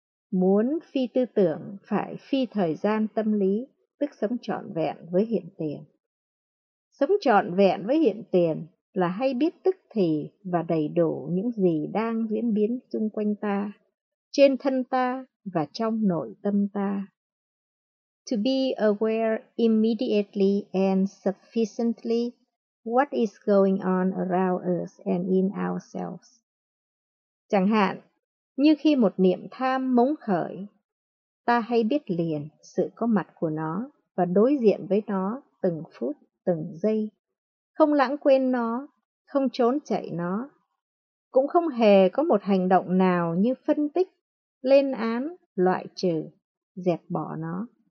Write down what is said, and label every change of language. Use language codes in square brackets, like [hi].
[vi] Muốn phi tư tưởng phải phi thời gian tâm lý, tức sống trọn vẹn với hiện tiền. Sống trọn vẹn với hiện tiền là hay biết tức thì và đầy đủ những gì đang diễn biến chung quanh ta, trên thân ta và trong nội tâm ta. [en] To be aware immediately and sufficiently what is going on around us and in ourselves. [vi] Chẳng hạn, như khi một niệm tham mống khởi, ta hay biết liền sự có mặt của nó và đối diện với nó từng phút, từng giây, không lãng quên nó, không trốn chạy nó, cũng không hề có một hành động nào như phân tích, lên án, loại trừ, dẹp bỏ nó.